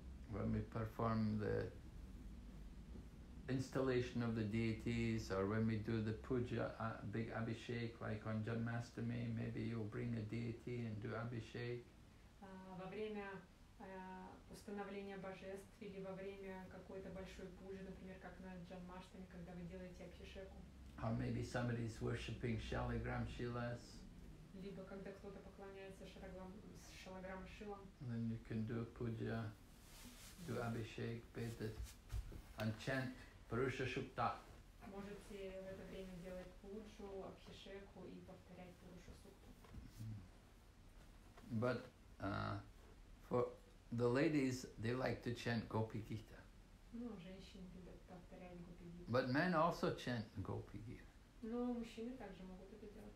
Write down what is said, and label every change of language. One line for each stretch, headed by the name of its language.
English: When we perform the installation of the deities, or when we do the puja, big abhishek, like on Janmashtami, maybe you'll bring a deity and do abhishek.
Russian: Во время установления божеств или во время какой-то большой пужи, например, как на Джанмаштами, когда вы делаете абхишеку.
English: Or maybe somebody's worshipping Shaligram Shilas.
Russian: Либо когда кто-то поклоняется Шалаграм Шилам.
English: Then you can do puja, do abhishek, bathe, and chant Purusha Shukta.
Russian: Можете в это время делать пуджу, абхишеку и повторять Пуруша Сукту.
English: But for the ladies, they like to chant Gopi Gita.
Russian: Ну, женщины любят повторять Гопи Гита.
English: But men also chant Gopi Gita.
Russian: Но мужчины также могут это делать.